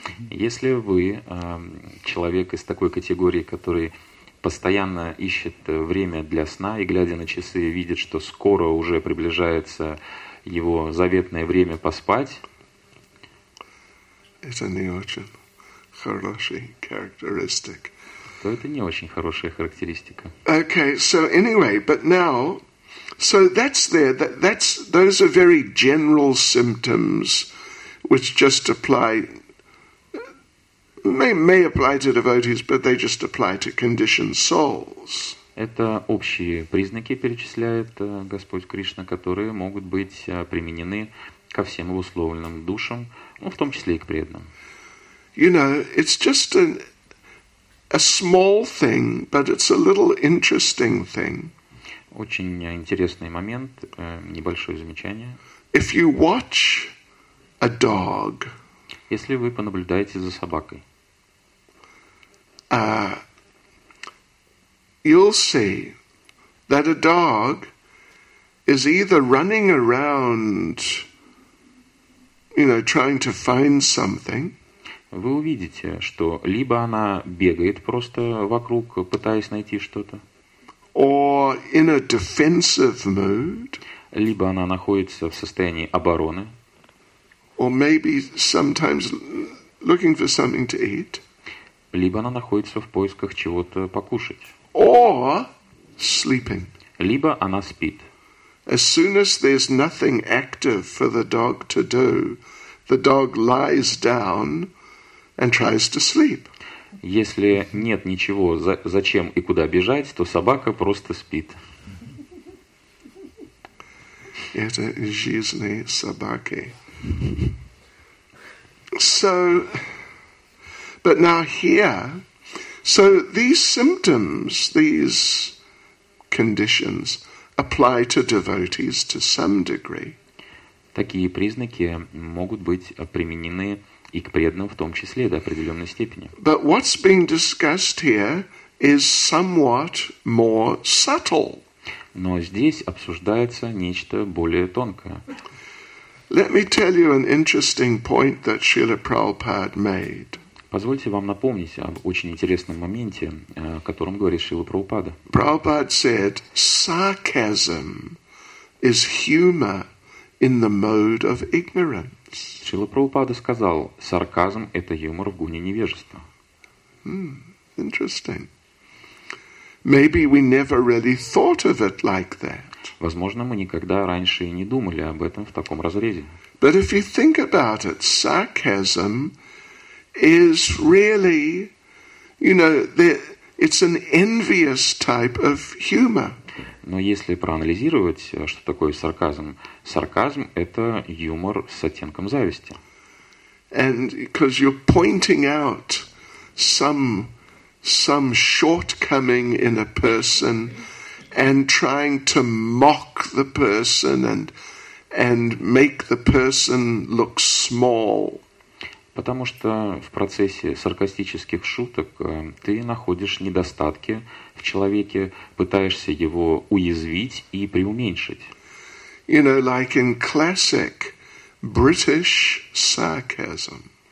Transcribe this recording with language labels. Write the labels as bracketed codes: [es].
[ru] Если вы человек из такой категории, который постоянно ищет время для сна и, глядя на часы, видит, что скоро уже приближается его заветное время поспать. Это не очень хороший характеристик. То это не очень хорошая характеристика. [en] Okay, so anyway, but now, so that's there. That's those are very general symptoms, which just apply may apply to devotees, but they just apply to conditioned souls. [ru] Это общие признаки перечисляет Господь Кришна, которые могут быть применены ко всем обусловленным душам, в том числе и к преданным. [en] You know, it's just a small thing, but it's a little interesting thing. [ru] Очень интересный момент, небольшое замечание. [en] If you watch a dog, [ru] если вы понаблюдаете за собакой, [en] you'll see that a dog is either running around, you know, trying to find something. [ru] Вы увидите, что либо она бегает просто вокруг, пытаясь найти что-то. [en] Or in a defensive mood. [ru] Либо она находится в состоянии обороны. [en] Or maybe sometimes looking for something to eat. [ru] Либо она находится в поисках чего-то покушать. [en] Or sleeping. [ru] Либо она спит. [en] As soon as there's nothing active for the dog to do, the dog lies down. And tries to sleep. [ru] Если нет ничего, зачем и куда бежать, то собака просто спит. Это жизни собаки. [en] So, but now here, so these symptoms, these conditions apply to devotees to some degree. [ru] Такие признаки могут быть применены и к преданным в том числе до определенной степени. [en] But what's being discussed here is somewhat more subtle. [ru] Но здесь обсуждается нечто более тонкое. [en] Let me tell you an interesting point that Srila Prabhupada made. [ru] Позвольте вам напомнить об очень интересном моменте, о котором говорит Шрила Прабхупада. [en] Prabhupada said, sarcasm is humor in the mode of ignorance. [ru] Шрила Прабхупада сказал, сарказм – это юмор в гуне невежества. [en] Interesting. Maybe we never really thought of it like that. [ru] Возможно, мы никогда раньше и не думали об этом в таком разрезе. [en] But if you think about it, sarcasm is really, you know, it's an envious type of humor. [ru] Но если проанализировать, что такое сарказм, сарказм – это юмор с оттенком зависти. [en] And because you're pointing out some shortcoming in a person and trying to mock the person and make the person look small. [ru] Потому что в процессе саркастических шуток ты находишь недостатки в человеке, пытаешься его уязвить и преуменьшить. [en] You know, like in classic British sarcasm.